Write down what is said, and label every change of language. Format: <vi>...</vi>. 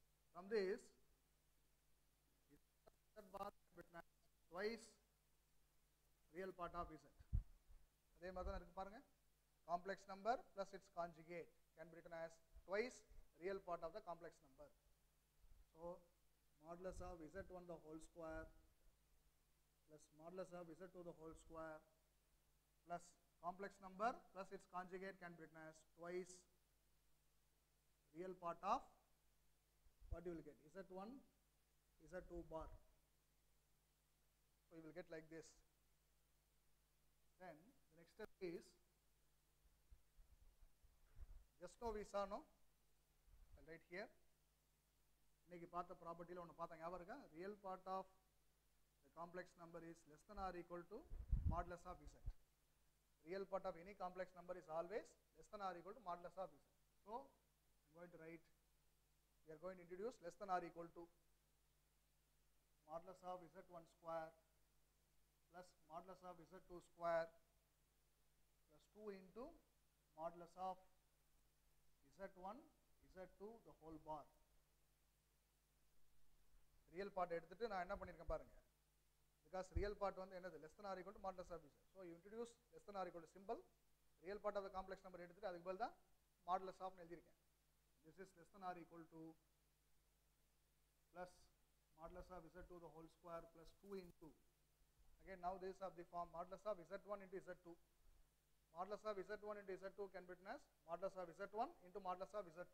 <en>From this Z bar can be written as twice real part of Z.</en> <ta>அதே மாதிரி தான் இருக்கு பாருங்கள்,</ta> <en>Complex number plus it's conjugate can be written as twice real part of the complex number. So modulus of Z1 the whole square plus modulus of Z2 the whole square plus complex number plus its conjugate can be written as twice real part of what you will get, Z1 Z2 bar. So you will get like this. Then the next step is, just now we saw, no? I'll write here.</en> <ta>இன்னைக்கு பார்த்த ப்ராப்பர்ட்டியில் ஒன்று பார்த்தா ஞாபகம் இருக்கா,</ta> <en>Real part of the complex number is less than or equal to modulus of Z. Real part of any complex number is always less than or equal to modulus of Z. So going to write, we are going to introduce less than or equal to modulus of Z one square plus modulus of Z two square plus two into modulus of Z one Z two the whole bar. Real part</en> <ta>எடுத்துகிட்டு நான் என்ன பண்ணியிருக்கேன் பாருங்கள்,</ta> <en>because real part</en> <ta>வந்து என்னது,</ta> <en>Less than or equal to modulus of Z. So introduce less than or equal to simple, real part of complex number</en> <ta>எடுத்துகிட்டு அதுக்கு பதில் தான்</ta> <en>modulus of nelirken. This is less than or equal to plus modulus of z2 the whole square plus 2 into, again now this of the form modulus of z1 into z2. Modulus of z1 into z2 can be written as modulus of z1 into modulus of z2.</en>